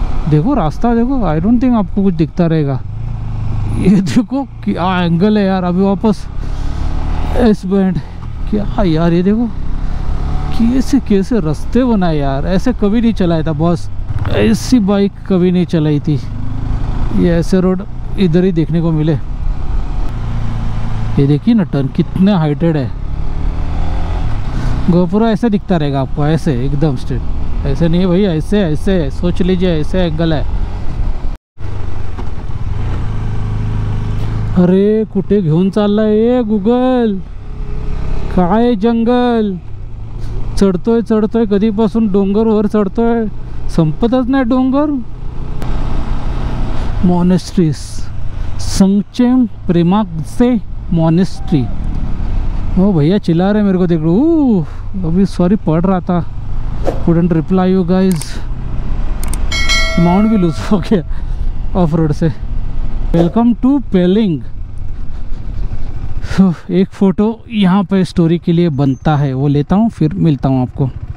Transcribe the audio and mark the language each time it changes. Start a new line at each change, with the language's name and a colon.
Hindi: देखो रास्ता देखो,
English: I don't think
Hindi: आपको कुछ दिखता रहेगा। ये देखो क्या एंगल है यार, अभी वापस एस बैंड, क्या यार ये देखो कैसे कैसे रास्ते बनाए यार, ऐसे कभी नहीं चलाया था बॉस, ऐसी बाइक कभी नहीं चलाई थी, ये ऐसे रोड इधर ही देखने को मिले। ये देखिए ना टर्न कितने हाइटेड है, गोपुरा ऐसे दिखता रहेगा आपको, ऐसे एकदम स्ट्रेट, ऐसे नहीं है भाई, ऐसे ऐसे सोच लीजिए, ऐसे एंगल है।
Marathi: अरे कुठे घेऊन चालला ये गूगल, काय जंगल चढतोय चढतोय, कधीपासून डोंगर वर चढतोय, संपतच नाही डोंगर।
Hindi: मॉनेस्ट्रीज संचेम प्रेमाक से मॉनेस्ट्री, ओ भैया चिल्ला रहे मेरे को देख लो, अभी सॉरी पढ़ रहा था,
English: Couldn't reply you guys.
Hindi: Mount भी लूज हो गया ऑफ रोड से। वेलकम टू पेलिंग, एक फोटो यहाँ पे स्टोरी के लिए बनता है, वो लेता हूँ फिर मिलता हूँ आपको।